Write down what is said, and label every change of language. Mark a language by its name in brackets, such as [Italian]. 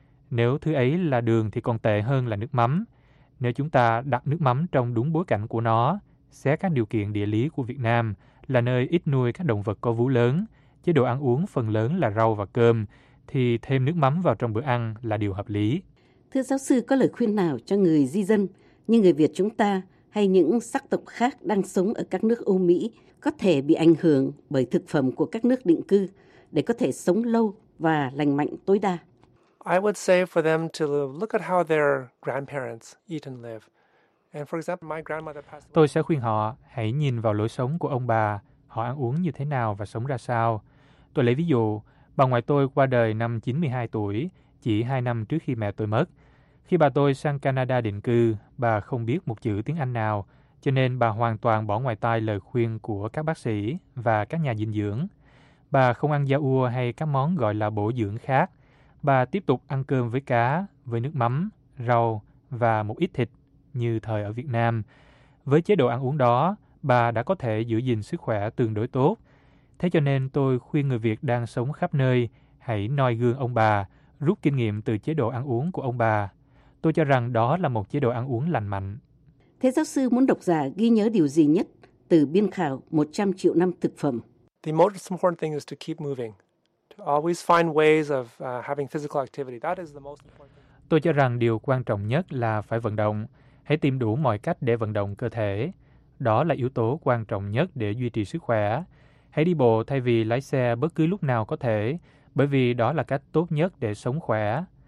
[Vietnamese] Nếu thứ ấy là đường thì còn tệ hơn là nước mắm. Nếu chúng ta đặt nước mắm trong đúng bối cảnh của nó, xét các điều kiện địa lý của Việt Nam là nơi ít nuôi các động vật có vú lớn, chế độ ăn uống phần lớn là rau và cơm, thì thêm nước mắm vào trong bữa ăn là điều hợp lý. Thưa giáo sư, có lời khuyên nào cho người di dân như người Việt chúng ta hay những sắc tộc khác đang sống ở các nước Âu Mỹ có thể bị ảnh hưởng bởi thực phẩm của các nước định cư để có thể sống lâu và lành mạnh tối đa? [English] I would say for them to look at how their grandparents eat and live. And for example, my grandmother passed away. [Vietnamese] Tôi sẽ khuyên họ hãy nhìn vào lối sống của ông bà, họ ăn uống như thế nào và sống ra sao. Tôi lấy ví dụ, bà ngoại tôi qua đời năm 92 tuổi, chỉ 2 năm trước khi mẹ tôi mất. Khi bà tôi sang Canada định cư, bà không biết một chữ tiếng Anh nào, cho nên bà hoàn toàn bỏ ngoài tai lời khuyên của các bác sĩ và các nhà dinh dưỡng. Bà không ăn da ua hay các món gọi là bổ dưỡng khác. Bà tiếp tục ăn cơm với cá, với nước mắm, rau và một ít thịt như thời ở Việt Nam. Với chế độ ăn uống đó, bà đã có thể giữ gìn sức khỏe tương đối tốt. Thế cho nên tôi khuyên người Việt đang sống khắp nơi, hãy noi gương ông bà, rút kinh nghiệm từ chế độ ăn uống của ông bà. Tôi cho rằng đó là một chế độ ăn uống lành mạnh. Thế giáo sư muốn độc giả ghi nhớ điều gì nhất từ biên khảo 100 triệu năm thực phẩm? [English] The most important thing is to keep moving. To always find ways of having physical activity. That is the most important. [Vietnamese] Tôi cho rằng điều quan trọng nhất là phải vận động. Hãy tìm đủ mọi cách để vận động cơ thể. Đó là yếu tố quan trọng nhất để duy trì sức khỏe. Hãy đi bộ thay vì lái xe bất cứ lúc nào có thể, bởi vì đó là cách tốt nhất để sống khỏe.